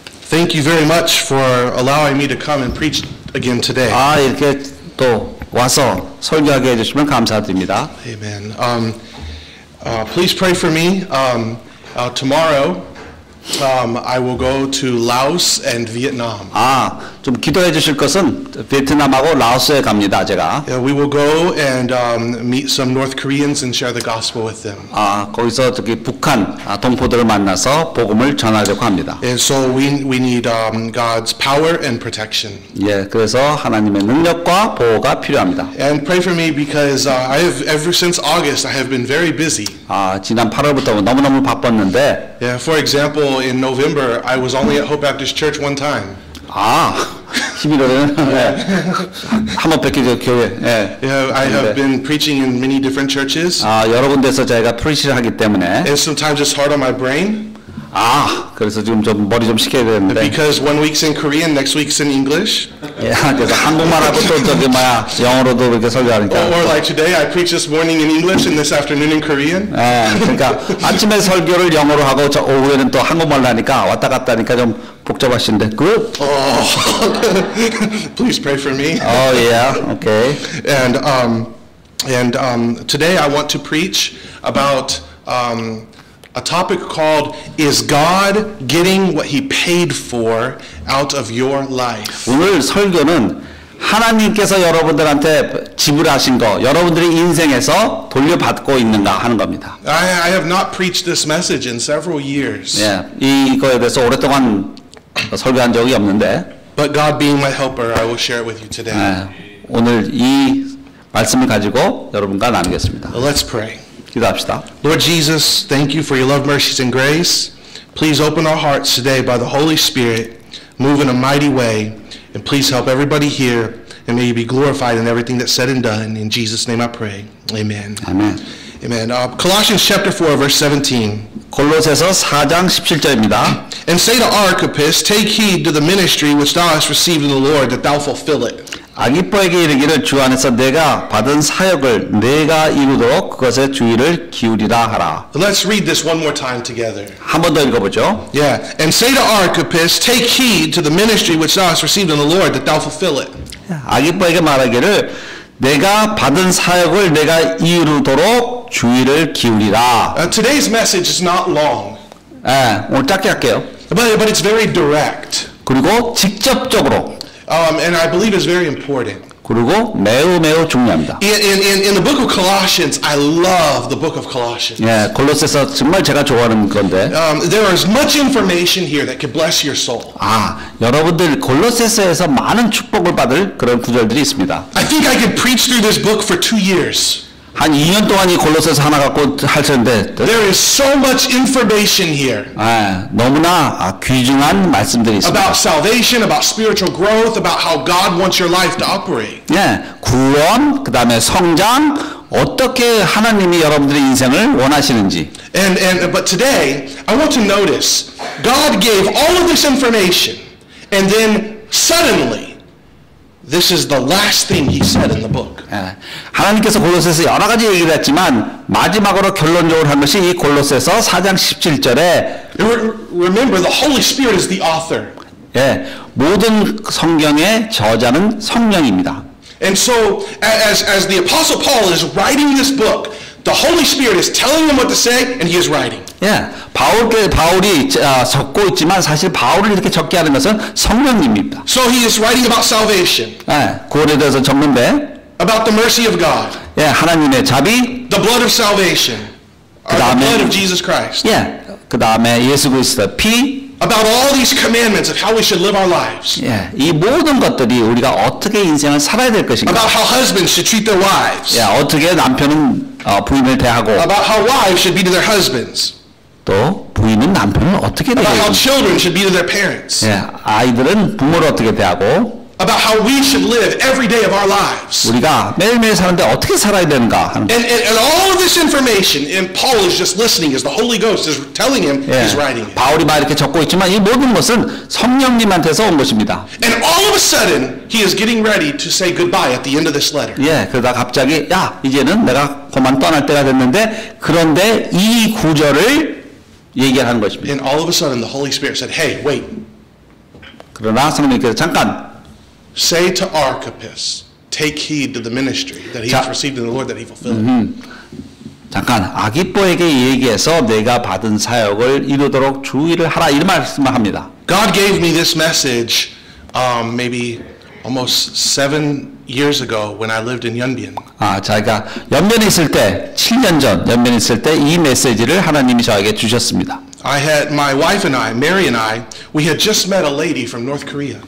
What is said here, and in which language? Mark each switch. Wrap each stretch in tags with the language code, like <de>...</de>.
<en>Thank you very much for allowing me to come and preach again today.</en> <ko>아, 이렇게 또 와서 설교하게 해 주시면 감사드립니다.</ko> <en>Amen. Please pray for me. Tomorrow I will go to Laos and Vietnam.</en> <ko>아, 좀 기도해 주실 것은 베트남하고 라오스에 갑니다, 제가.</ko> <en>Yeah, we will go and meet some North Koreans and share the gospel with them.</en> <ko>아, 거기서 저기 북한 동포들을 만나서 복음을 전하려고 합니다.</ko> <en>And so we need God's power and protection.</en> <ko>예, 그래서 하나님의 능력과 보호가 필요합니다.</ko> <en>And pray for me because ever since August I have been very busy.</en> <ko>아, 지난 8월부터 너무너무 바빴는데.</ko> <en>Yeah, for example, in November I was only at Hope Baptist Church one time.</en> <ko>아, 11월에는 한번 뵙기도 교회. 네.</ko> <en>Yeah, I have been preaching in many different churches.</en> <ko>아, 여러 군데서 제가 프리치를 하기 때문에.</ko> <en>And sometimes it's hard on my brain.</en> <ko>아, 그래서 지금 좀 머리 좀 식혀야 되는데.</ko> <en>Because one week's in Korean, next week's in English.</en> <ko>예, 그래서 한국말하고 또 저기 뭐야 영어로도 이렇게 설교하니까.</ko> <en>Or like today, I preach this morning in English and this afternoon in Korean.</en> <ko>예, 그러니까 아침에 설교를 영어로 하고 저 오후에는 또 한국말로 하니까 왔다 갔다 하니까 좀 복잡하신데.</ko> <en>Good. Oh, please pray for me. Oh yeah. Okay. And today I want to preach about a topic called "Is God getting what He paid for out of your life?"</en> <ko>오늘 설교는 하나님께서 여러분들한테 지불하신 거, 여러분들이 인생에서 돌려받고 있는가 하는 겁니다.</ko> <en>I have not preached this message in several years.</en> <ko>예, 이거에 대해서 오랫동안 설교한 적이 없는데.</ko> <en>But God being my helper, I will share it with you today.</en> <ko>예, 오늘 이 말씀을 가지고 여러분과 나누겠습니다.</ko> <en>Let's pray.</en> <ko>기도합시다.</ko> <en>Lord Jesus, thank you for your love, mercies, and grace. Please open our hearts today by the Holy Spirit. Move in a mighty way. And please help everybody here. And may you be glorified in everything that's said and done. In Jesus' name I pray. Amen. Amen. Amen. Colossians chapter 4, verse 17.</en> <ko>골로새서 4장 17절입니다.</ko> <en>And say to Archippus, take heed to the ministry which thou hast received in the Lord, that thou fulfill it.</en> <ko>아기뽀에게 이르기를 주 안에서 내가 받은 사역을 내가 이루도록 그것에 주의를 기울이라 하라.</ko> <en>Let's read this one more time together.</en> <ko>한 번 더 읽어보죠.</ko> <en>Yeah. And say to Archippus, take heed to the ministry which thou hast received in the Lord, that thou fulfill it.</en> <ko>아기뽀에게 말하기를 내가 받은 사역을 내가 이루도록 주의를 기울이라.</ko> <en>Today's message is not long.</en> <ko>예, 오늘 짧게 할게요.</ko> <en>But it's very direct.</en> <ko>그리고 직접적으로.</ko> <en>And I believe it's very important.</en> <ko>그리고 매우 매우 중요합니다.</ko> <en>In the book of Colossians, I love the book of Colossians.</en> <ko>예, 골로새서 정말 제가 좋아하는 건데.</ko> <en>There is much information here that could bless your soul.</en> <ko>아, 여러분들 골로새서에서 많은 축복을 받을 그런 구절들이 있습니다.</ko> <en>I think I could preach through this book for 2 years.</en> <ko>한 2년 동안 이 골로새서 하나 갖고 할 텐데.</ko> <en>There is so much information here.</en> <ko>아, 너무나 귀중한 말씀들이 있습니다.</ko> <en>About salvation, about spiritual growth, about how God wants your life to operate.</en> <ko>예, 구원, 그다음에 성장, 어떻게 하나님이 여러분들의 인생을 원하시는지.</ko> <en>But today I want to notice God gave all of this information and then suddenly this is the last thing he said in the book.</en> <ko>하나님께서 골로새서 여러 가지 얘기를 했지만 마지막으로 결론적으로 한 것이 이 골로새서 4장 17절에</ko> <en>Remember the Holy Spirit is the author.</en> <ko>예, 모든 성경의 저자는 성령입니다.</ko> <en>And so as the apostle Paul is writing this book, the Holy Spirit is telling him what to say and he is writing.</en> <ko>예, 바울이 적고 있지만 사실 바울을 이렇게 적게 하는 것은 성령님입니다.</ko> <en>So he is writing about salvation.</en> <ko>예, 구원에 대해서 적는데.</ko> <en>About the mercy of God.</en> <ko>예, 하나님의 자비.</ko> <en>The blood of salvation.</en> <ko>그다음에,</ko> <en>or the blood of Jesus Christ.</en> <ko>예, 그다음에 예수 그리스도 피.</ko> <en>About all these commandments of how we should live our lives.</en> <ko>예, 이 모든 것들이 우리가 어떻게 인생을 살아야 될 것인가.</ko> <en>About how husbands should treat their wives.</en> <ko>예, 어떻게 남편은 부인을 대하고.</ko> <en>About how wives should be to their husbands.</en> <ko>또 부인은 남편을 어떻게 대해야 되는지.</ko> <en>About how children should be to their parents.</en> <ko>예, 아이들은 부모를 어떻게 대하고.</ko> <en>about how we should live every day of our lives.</en> <ko>우리가 매일매일 사는데 어떻게 살아야 되는가 하는.</ko> <en>And all of this information, and Paul is just listening as the Holy Ghost is telling him he's writing.</en> <ko>바울이 막 이렇게 적고 있지만 이 모든 것은 성령님한테서 온 것입니다.</ko> <en>And all of a sudden, he is getting ready to say goodbye at the end of this letter.</en> <ko>예, 그러다 갑자기 야 이제는 내가 그만 떠날 때가 됐는데 그런데 이 구절을 얘기하는 것입니다.</ko> <en>And all of a sudden, the Holy Spirit said, "Hey, wait."</en> <ko>그러나 성령께서 잠깐.</ko> <en>Say to Archippus, take heed to the ministry that he has received in the Lord that he fulfilled.</en> <ko>잠깐 아기뽀에게 얘기해서 내가 받은 사역을 이루도록 주의를 하라 이런 말씀을 합니다.</ko> <en>God gave me this message maybe almost 7 years ago when I lived in Yeonbin.</en> <ko>아, 제가 연변에 있을 때 7년 전 연변에 있을 때 이 메시지를 하나님이 저에게 주셨습니다.</ko> <en>I had my wife and I, Mary and I, we had just met a lady from North Korea.</en>